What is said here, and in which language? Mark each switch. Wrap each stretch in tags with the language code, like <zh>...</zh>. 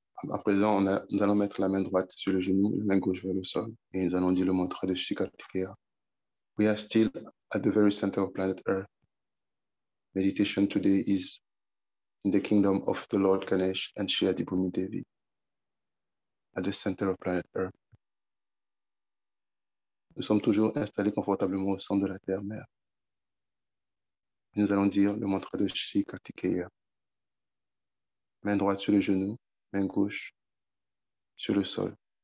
<fr>À présent, nous allons mettre la main droite sur le genou, la main gauche vers le sol, et nous allons dire le mantra de Shri Kartikeya.</fr> <en>We are still at the very center of planet Earth. Meditation today is in the kingdom of the Lord Ganesh and Shri Adibhumi Devi, at the center of planet Earth.</en> <fr>Nous sommes toujours installés confortablement au centre de la Terre Mère. Et nous allons dire le mantra de Shri Kartikeya. Main droite sur le genou, main gauche sur le sol.</fr>